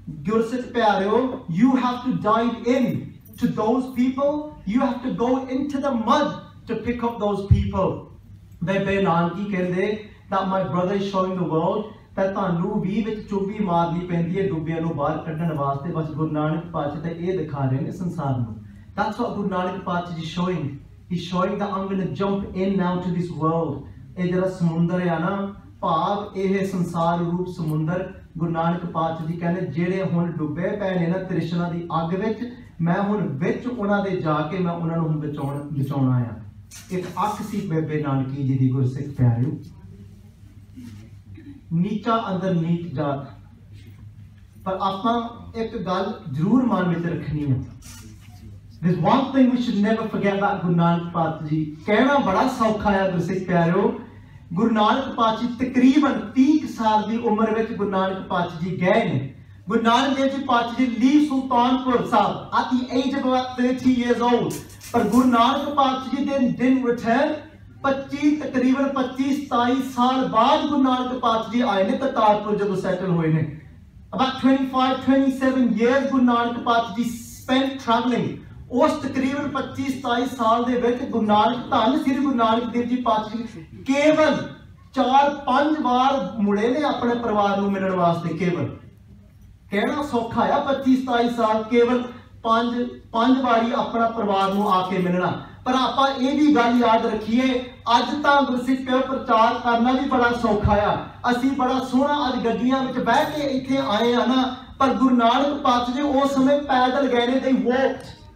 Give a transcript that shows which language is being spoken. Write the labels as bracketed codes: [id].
[pa] ਗੁਰਸਿੱਖ ਪਿਆਰਿਓ [en] you have to dive into those people [pa] you have to go in to the ਮਦ to pick up ਦੋਜ people Bebe Nanaki ਕਹਿੰਦੇ [en] that my brother is showing the world [pa] ਤਾਂ ਤੁਹਾਨੂੰ ਵੀ ਵਿੱਚ ਚੁੱਭੀ ਮਾਰਨੀ ਪੈਂਦੀ ਹੈ ਡੁੱਬਿਆਂ ਨੂੰ ਬਾਹਰ ਕੱਢਣ ਵਾਸਤੇ ਬਸ ਗੁਰੂ ਨਾਨਕ ਪਾਤਸ਼ਾਹ ਤਾਂ ਇਹ ਦਿਖਾ ਰਹੇ ਨੇ ਸੰਸਾਰ ਨੂੰ [en] That's what Guru Nanak Pachi is showing. He's showing that I'm going to jump in now to this world. [pa] ਇਹ ਜਿਹੜਾ ਸਮੁੰਦਰ ਆ ਨਾ ਭਾਵ ਇਹ ਸੰਸਾਰ ਰੂਪ ਸਮੁੰਦਰ ਗੁਰੂ ਨਾਨਕ ਪਾਤਸ਼ਾਹ ਜੀ ਕਹਿੰਦੇ ਜਿਹੜੇ ਹੁਣ ਡੁੱਬੇ ਪਏ ਨੇ ਨਾ ਤ੍ਰਿਸ਼ਨਾ ਦੀ ਅੱਗ ਵਿੱਚ ਮੈਂ ਹੁਣ ਵਿੱਚ ਉਹਨਾਂ ਦੇ ਜਾ ਕੇ ਮੈਂ ਉਹਨਾਂ ਨੂੰ ਹੁਣ ਬਚਾਉਣਾ ਆ ਇੱਕ ਅੱਖ ਸੀ ਬੇਬੇ ਨਾਨਕੀ ਜੀ ਦੀ ਗੁਰਸਿੱਖ ਪਿਆਰਿਓ ਨੀਚਾ ਅੰਦਰ ਨੀਚ ਜਾਤ ਪਰ ਆਪਾਂ ਇੱਕ ਗੱਲ ਜ਼ਰੂਰ ਮਨ ਵਿੱਚ ਰੱਖਣੀ ਹੈ [en] There's one thing we should never forget about Guru Nanak Pathji. [pa] ਕਹਿਣਾ ਬੜਾ ਸੌਖਾ ਹੈ ਗੁਰਸਿੱਖ ਪਿਆਰਿਓ. ਗੁਰੂ ਨਾਨਕ ਪਾਥਜੀ ਤਕਰੀਬਨ 30 ਸਾਲ ਦੀ ਉਮਰ ਵਿਚ ਗੁਰੂ ਨਾਨਕ ਪਾਥਜੀ ਗਏ ਨੇ. [en] Guru Nanak Dev Ji Pathji leave Sultanpur Sahib at the age of about 30 years old. But Guru Nanak Pathji didn't return. [pa] 25 ਤਕਰੀਬਨ 25-27 ਸਾਲ ਬਾਅਦ ਗੁਰੂ ਨਾਨਕ ਪਾਥਜੀ ਆਏ ਨੇ ਕਰਤਾਰਪੁਰ ਜਦੋਂ ਸੈਟਲ ਹੋਏ ਨੇ. [en] About 25-27 years Guru Nanak Pathji spent travelling. [pa] ਉਸ ਤਕਰੀਬਨ 25-27 ਸਾਲ ਦੇ ਵਿੱਚ ਗੁਰੂ ਨਾਨਕ ਧੰਨ ਸ੍ਰੀ ਗੁਰੂ ਨਾਨਕ ਦੇਵ ਜੀ ਪਾਤਸ਼ਾਹ ਕੇਵਲ 4-5 ਵਾਰ ਮੁੜੇ ਨੇ ਆਪਣੇ ਪਰਿਵਾਰ ਨੂੰ ਮਿਲਣ ਵਾਸਤੇ ਕੇਵਲ ਕਹਿਣਾ ਸੌਖਾ ਆ 25-27 ਸਾਲ ਕੇਵਲ 5 ਵਾਰੀ ਆਪਣਾ ਪਰਿਵਾਰ ਨੂੰ ਆ ਕੇ ਮਿਲਣਾ ਪਰ ਆਪਾਂ ਇਹ ਵੀ ਗੱਲ ਯਾਦ ਰੱਖੀਏ ਅੱਜ ਤਾਂ ਗੁਰਸਿੱਖ ਪਿਆਰ ਪ੍ਰਚਾਰ ਕਰਨਾ ਵੀ ਬੜਾ ਸੌਖਾ ਆ ਅਸੀਂ ਬੜਾ ਸੋਹਣਾ ਅੱਜ ਗੱਡੀਆਂ ਵਿੱਚ ਬਹਿ ਕੇ ਇੱਥੇ ਆਏ ਹਾਂ ਨਾ ਪਰ ਗੁਰੂ ਨਾਨਕ ਪਾਤਸ਼ਾਹ ਜੀ ਉਸ ਸਮੇਂ ਪੈਦਲ ਗਏ ਨੇ [en] ਦੇ ਵੋਕਡ